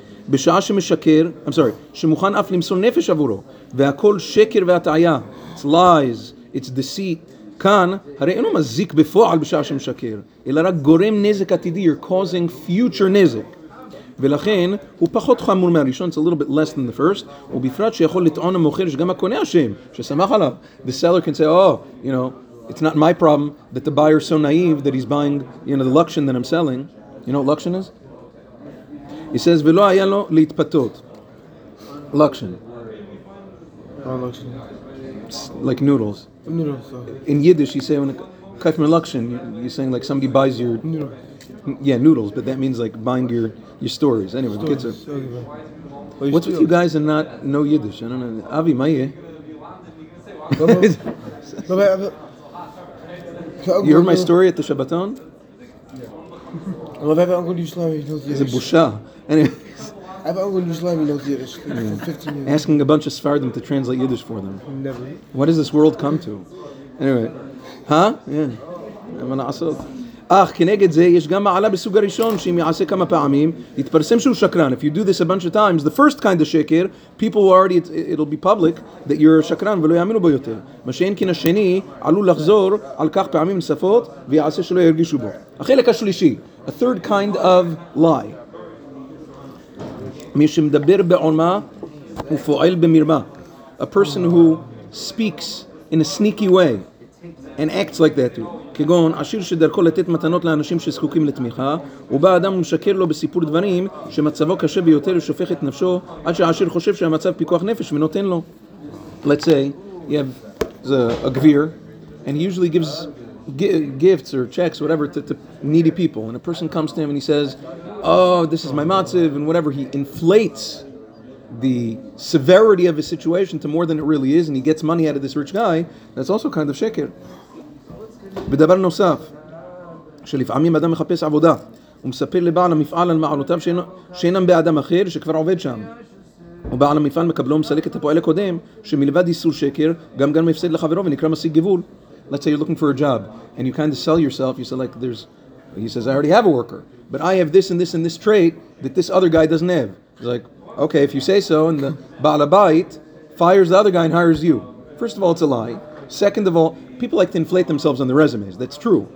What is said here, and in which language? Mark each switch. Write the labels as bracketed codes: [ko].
[he] בשעה שמשקר, [en] I'm sorry, [he] שמוכן אף למסור נפש עבורו, והכל שקר והטעיה, [en] it's lies, it's deceit, [he] כאן, הרי אינו מזיק בפועל בשעה שמשקר, אלא רק גורם נזק עתידי, [en] you're causing future [he] נזק. ולכן, הוא פחות חמור מהראשון, [en] it's a little bit less than the first, [he] ובפרט שיכול לטעון המוכר שגם הקונה השם, ששמח עליו, [en] the seller can say, oh, you know, it's not my problem that the buyer is so naive that he's buying, you know, the lakshin that I'm selling. You know what lakshin is? He says, [he] ולא היה לו להתפתות. [en] Lakshin. Like noodles. Noodles. In Yiddish, you say, when kaif me lakshin, you're saying like somebody buys your... Noodles. Yeah, noodles, but that means like buying your stories. Anyway, stories. The kids are... What's with you guys and not know Yiddish? I don't know. Avi, ma'ye? You heard my story at the Shabbaton? I love having Uncle Yushlami knows Yiddish. It's a busha. Anyway. I have Uncle Yushlami knows Yiddish. Yeah. Asking a bunch of Sephardim to translate Yiddish for them. Never. What does this world come to? Anyway. Huh? Yeah. Mana asot. [he] אך כנגד זה יש גם מעלה בסוג הראשון שאם יעשה כמה פעמים יתפרסם שהוא שקרן. [en] If you do this a bunch of times, the first kind of שקר, people will already, it'll be public that you're שקרן [he] ולא יאמינו בו יותר. מה שאין כן השני עלול לחזור על כך פעמים נוספות ויעשה שלא ירגישו בו. החלק השלישי, [en] a third kind of lie. [he] מי שמדבר בעומה הוא פועל במרמה. [en] A person who speaks in a sneaky way and acts like that too. [he] כגון עשיר שדרכו לתת מתנות לאנשים שזקוקים לתמיכה, ובא אדם ומשקר לו בסיפור דברים שמצבו קשה ביותר ושופך את נפשו עד שהעשיר חושב שהמצב פיקוח נפש ונותן לו. [en] Let's say you have a gvir and he usually gives gifts or checks whatever to needy people, and a person comes to him and he says, oh, this is my matziv, and whatever, he inflates the severity of his situation to more than it really is, and he gets money out of this rich guy. That's also kind of sheker. [he] בדבר נוסף, שלפעמים אדם מחפש עבודה, הוא מספר לבעל המפעל על מעלותיו שאינם באדם אחר שכבר עובד שם. ובעל המפעל מקבלו ומסלק את הפועל הקודם, שמלבד איסור שקר, גם מפסד לחברו ונקרא משיג גבול. [en] Let's say you're looking for a job, and you kind of sell yourself, you say like, there's, he says, I already have a worker, but I have this and this and this trait that this other guy doesn't have. He's like, okay, if you say so, and the בעל הבית fires the other guy and hires you. First of all, it's a lie. Second of all, people like to inflate themselves on their resumes. That's true.